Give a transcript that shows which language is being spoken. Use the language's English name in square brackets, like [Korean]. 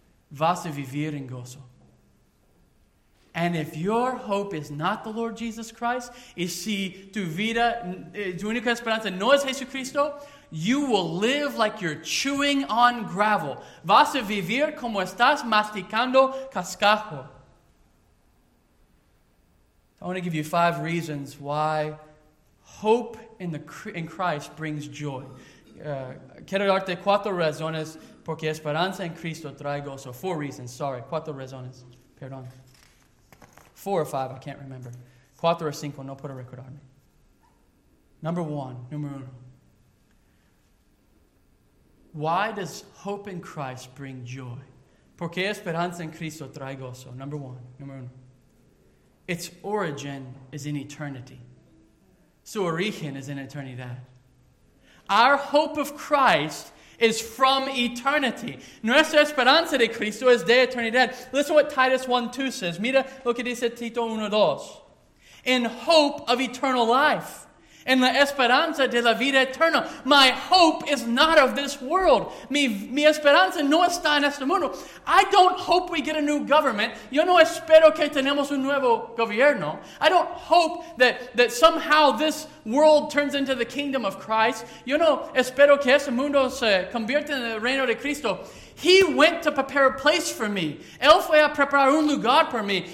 [Spanish] Vas a vivir en gozo. [English] And if your hope is not the Lord Jesus Christ, [Spanish] y si tu vida, tu única esperanza no es Jesucristo, [English] you will live like you're chewing on gravel. [Spanish] Vas a vivir como estás masticando cascajo. [English] I want to give you five reasons why hope in Christ brings joy. [Spanish] Quiero darte cuatro razones porque esperanza en Cristo trae gozo. [English] Four reasons, sorry. [Spanish] Cuatro razones. Perdón. [English] Four or five, I can't remember. [Spanish] Cuatro o cinco, no puedo recordarme. [English] Number one, [Spanish] numero uno. [English] Why does hope in Christ bring joy? [Spanish] Porque esperanza en Cristo trae gozo. [English] Number one, [Spanish] numero uno. [English] Its origin is in eternity. [Spanish] Su origen es en eternidad. [English] Our hope of Christ is from eternity. [Spanish] Nuestra esperanza de Cristo es de eternidad. [English] Listen to what Titus 1:2 says. [Spanish] Mira lo que dice Tito 1:2. [English] In hope of eternal life. [Spanish] En la esperanza de la vida eterna. [English] My hope is not of this world. [Spanish] Mi esperanza no está en este mundo. [English] I don't hope we get a new government. [Spanish] Yo no espero que tenemos un nuevo gobierno. [English] I don't hope that somehow this world turns into the kingdom of Christ. [Spanish] Yo no espero que este mundo se convierta en el reino de Cristo. [English] He went to prepare a place for me. [Spanish] Él fue a preparar un lugar por mí.